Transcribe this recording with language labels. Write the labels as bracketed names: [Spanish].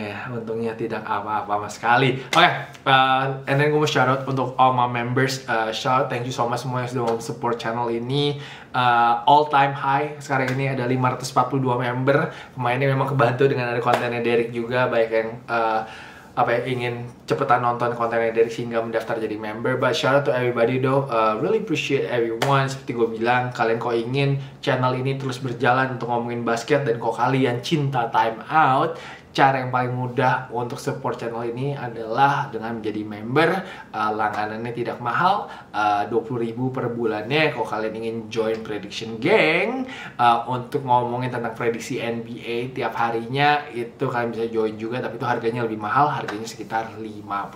[Indonesian] Untungnya tidak apa-apa sama sekali. Oke, [English] and then [Indonesian] gue mau shout out untuk [English] all my members. [Indonesian] Shout out, [English] thank you so much [Indonesian] semua yang sudah mau support channel ini. [English] All time high, [Indonesian] sekarang ini ada 542 member. Pemainnya memang kebantu dengan ada kontennya Derek juga, baik yang ingin cepetan nonton kontennya Derek sehingga mendaftar jadi member. [English] But shout out to everybody though, really appreciate everyone. [Indonesian] Seperti gue bilang, kalian kok ingin channel ini terus berjalan untuk ngomongin basket, dan kok kalian cinta time out, cara yang paling mudah untuk support channel ini adalah dengan menjadi member. Langganannya tidak mahal, 20.000 per bulannya. Kalau kalian ingin join prediction gang untuk ngomongin tentang prediksi NBA tiap harinya, itu kalian bisa join juga, tapi itu harganya lebih mahal, harganya sekitar 50.000.